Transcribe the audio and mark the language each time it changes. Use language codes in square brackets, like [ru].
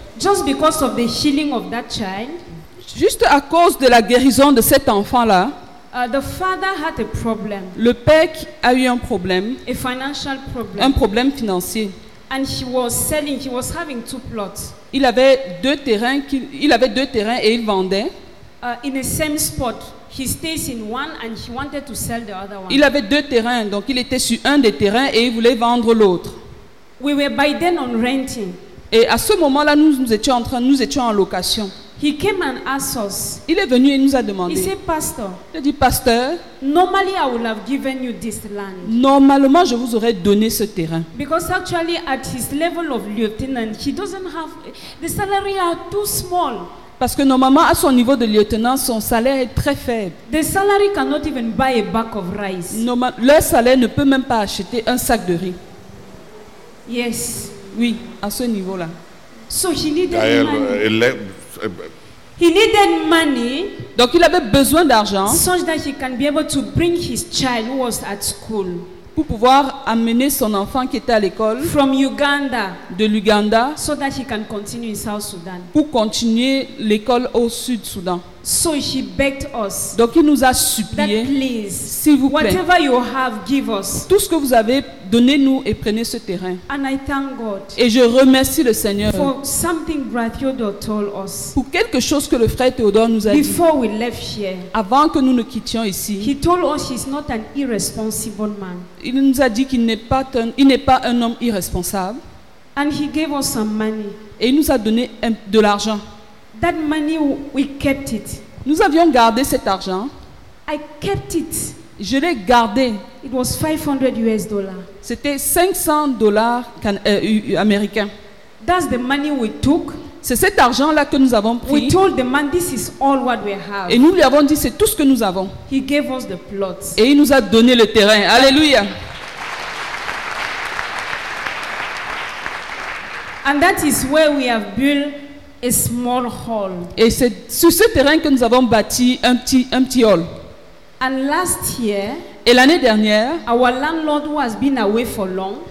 [en] Just because of the healing of that child. [fr] Juste à cause de la guérison de cet enfant-là. [en] The father had a problem. [fr] Le père a eu un problème. [en] A financial problem. [fr] Un problème financier. [en] And he was selling. He was having two plots. [fr] Il avait deux terrains. Il avait deux terrains et il vendait. [en] In the same spot, he stays in one and he wanted to sell the other one. [fr] Il avait deux terrains, donc il était sur un des terrains et il voulait vendre l'autre. [en] We were by then on renting. [fr] Et à ce moment-là, nous étions en location. [en] He came and asked us. [fr] Il est venu et nous a demandé. [en] He said, Pastor. [fr] Il a dit, Pasteur. [en] Normally, I would have given you this land. [fr] Normalement, je vous aurais donné ce terrain. [en] Because actually, at his level of lieutenant, he doesn't have the salary are too small. [fr] Parce que normalement, à son niveau de lieutenant, son salaire est très faible. [en] The salary cannot even buy a bag of rice. [fr] Leur salaire ne peut même pas acheter un sac de riz. [en] Yes. [fr] Oui, à ce niveau-là. [en] So he needed money. He needed money. [fr] Donc il avait besoin d'argent. [en] So that he can be able to bring his child who was at school. [fr] Pour pouvoir amener son enfant qui était à l'école. [en] From Uganda. [fr] De l'Uganda. [en] So that he can continue in South Sudan. [fr] Pour continuer l'école au Sud Soudan. [en] So he begged us. [fr] Donc il nous a supplié. [en] That please, [fr] s'il vous plaît, [en] whatever you have, give us. [fr] Tout ce que vous avez, donnez-nous et prenez ce terrain. [en] And I thank God. [fr] Et je remercie le Seigneur. [en] For something Theodore told us. [fr] Pour quelque chose que le frère Théodore nous a [en] Before [fr] dit. [en] We left here. [fr] Avant que nous ne quittions ici. [en] He told us he's not an irresponsible man. [fr] Il nous a dit qu'il n'est pas un homme irresponsable. [en] And he gave us some money. [fr] Et il nous a donné de l'argent. [en] That money, we kept it. [fr] Nous avions gardé cet argent. [en] I kept it. [fr] Je l'ai gardé. [en] It was $500. [fr] C'était $500 américains. [en] That's the money we took. [fr] C'est cet argent-là que nous avons pris. [en] We told the man, this is all what we have. [fr] Et nous lui avons dit, c'est tout ce que nous avons. [en] He gave us the plots. [fr] Et il nous a donné le terrain. Alléluia. [en] And that is where we have built a small hall. [fr] Et c'est sur ce terrain que nous avons bâti un petit hall. [en] And last year, [fr] et l'année dernière, [en] our landlord who has been away for long,